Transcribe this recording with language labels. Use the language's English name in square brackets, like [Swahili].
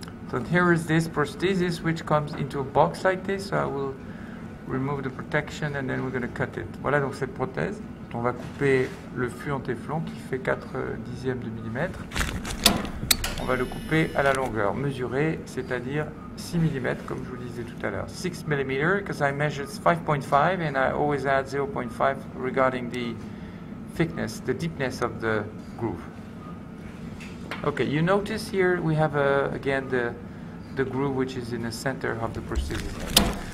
[English] So here is this prosthesis, which comes into a box like this. So I will remove the protection and then we're going to cut it. [French] Voilà donc cette prothèse. On va couper le fût en téflon qui fait 4 dixièmes de millimètre. On va le couper à la longueur mesurée, c'est-à-dire 6 mm comme je vous le disais tout à l'heure. [English] 6 mm because I measured 5.5 and I always add 0.5 regarding the thickness, the deepness of the groove. Okay, you notice here we have again the groove which is in the center of the prosthesis.